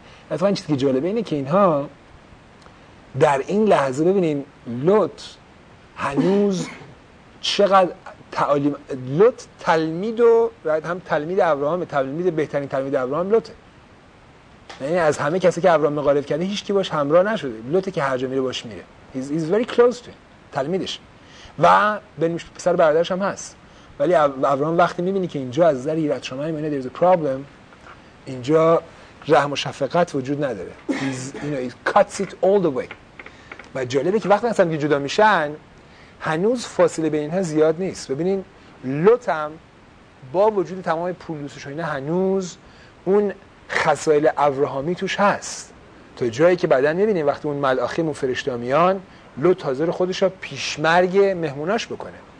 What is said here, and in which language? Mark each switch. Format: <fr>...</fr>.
<fa>از این چیزی که جالبه اینه که اینها در این لحظه ببینین لوت هنوز چقدر تعالیم، لوت تلمید و باید هم تلمید ابراهام، تلمید بهترین تلمید ابراهام لوته، یعنی از همه کسی که ابراهام مقارف کرده هیچ کی باش همراه نشده، لوته که هر جا میره باش میره.</fa> <en>he's very close to him.</en> <fa>تلمیدش و بنیش پسر برادرش هم هست. ولی ابراهام وقتی میبینی که اینجا از نظر ایراد شما میونه</fa> <en>there's a problem,</en> <fa>اینجا رحم و شفقت وجود نداره.</fa> <en>He's, you know, he cuts it all the way.</en> <fa>و جالبه که وقتی اصلا که جدا میشن هنوز فاصله بین اینها زیاد نیست. ببینین لوتم با وجود تمام پولوسش و اینا هنوز اون خصایل ابراهامی توش هست. تا جایی که بعدن میبینین وقتی اون ملاخیم و فرشته میان لوت حاضر خودش را پیشمرگ مهموناش بکنه.</fa>